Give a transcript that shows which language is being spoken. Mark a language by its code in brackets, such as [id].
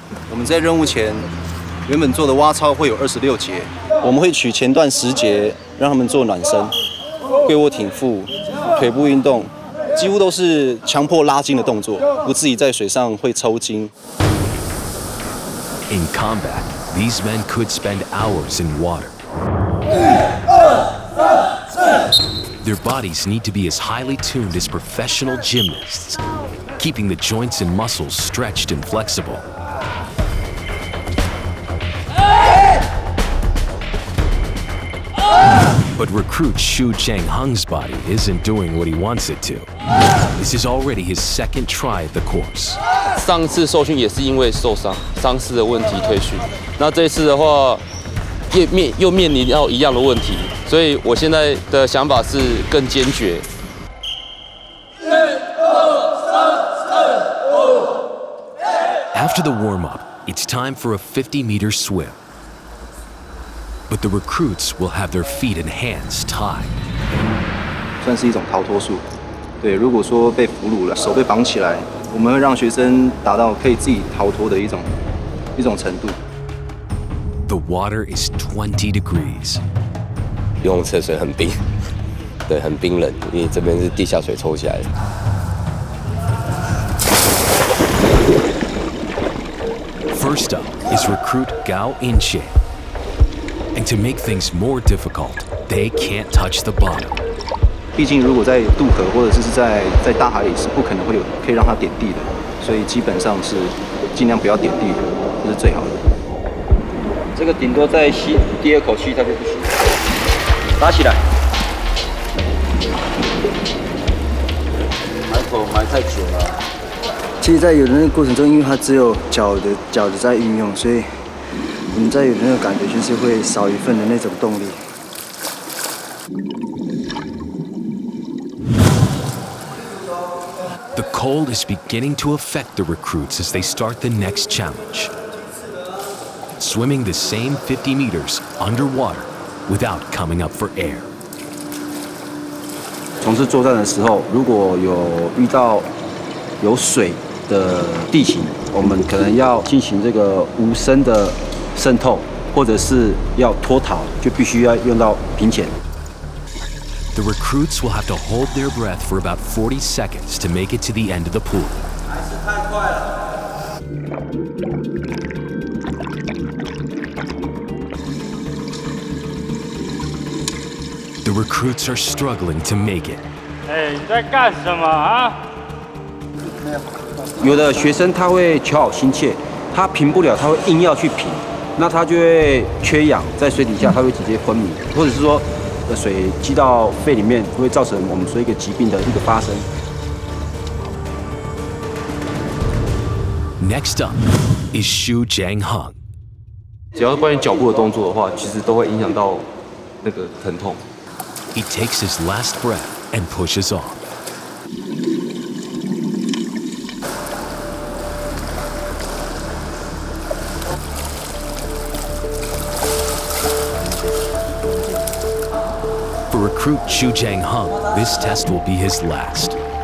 [zh] 我们在任务前原本做的蛙操会有26节，我们会取前段10节让他们做暖身、跪卧挺腹、腿部运动，几乎都是强迫拉筋的动作，不自己在水上会抽筋。 [en] In combat, these men could spend hours in water. Their bodies need to be as highly tuned as professional gymnasts, keeping the joints and muscles stretched and flexible. But recruit Xu Changhong's body isn't doing what he wants it to. This is already his second try at the course. [zh] 上次受训也是因为受伤、伤势的问题退训。那这次的话，又面临到一样的问题，所以我现在的想法是更坚决。 [en] After the warm up, it's time for a 50-meter swim. But the recruits will have their feet and hands tied. [zh] 算是一种逃脱术。对，如果说被俘虏了，手被绑起来，我们会让学生达到可以自己逃脱的一种程度。 [en] The water is 20 degrees. [zh] 游泳池水很冰，对，很冰冷，因为这边是地下水抽起来的。 [en] First up is recruit Gao Inchen. And to make things more difficult, they can't touch the bottom. [zh] 毕竟如果在渡河或者是在大海里是不可能会有可以让它点地的，所以基本上是尽量不要点地，这是最好的。这个顶多再吸第二口气，它就不行。打起来。埋头埋太久了。其实，在游的那个过程中，因为它只有脚的在运用，所以。我们在有那种感觉，就是会少一份的那种动力。 [en] The cold is beginning to affect the recruits as they start the next challenge. Swimming the same 50 meters underwater without coming up for air. [zh] 从事作战的时候，如果有遇到有水的地形，我们可能要进行这个无声的。渗透，或者是要脱逃，就必须要用到平潜。 [en] The recruits will have to hold their breath for about 40 seconds to make it to the end of the pool. [zh] 还是太快了。 [en] The recruits are struggling to make it. [zh] 哎，你在干什么啊？有的学生他会求好心切，他平不了，他会硬要去平。那他就会缺氧，在水底下他会直接昏迷，或者是说，水积到肺里面，会造成我们说一个疾病的一个发生。 [en] Next up is Xu Changhong。 [zh] 只要是关于脚步的动作的话，其实都会影响到那个疼痛。 [en] He takes his last breath and pushes off。 Recruit Xu Changhong, this test will be his last.